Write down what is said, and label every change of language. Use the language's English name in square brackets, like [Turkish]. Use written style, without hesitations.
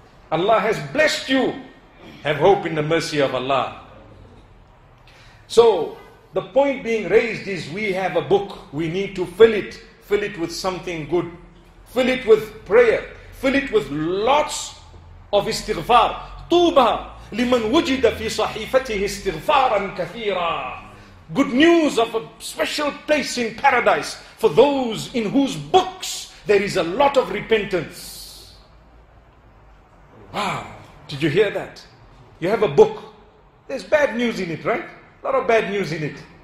[English] Allah has blessed you. Have hope in the mercy of Allah. So the point being raised is we have a book. We need to fill it with something good, fill it with prayer, fill it with lots of istighfar. [Arabic] طوبه لمن وجد في صحيفته استغفارا كثيرا. [English] Good news of a special place in paradise for those in whose books there is a lot of repentance. Wow, did you hear that? You have a book. There's bad news in it, right? A lot of bad news in it.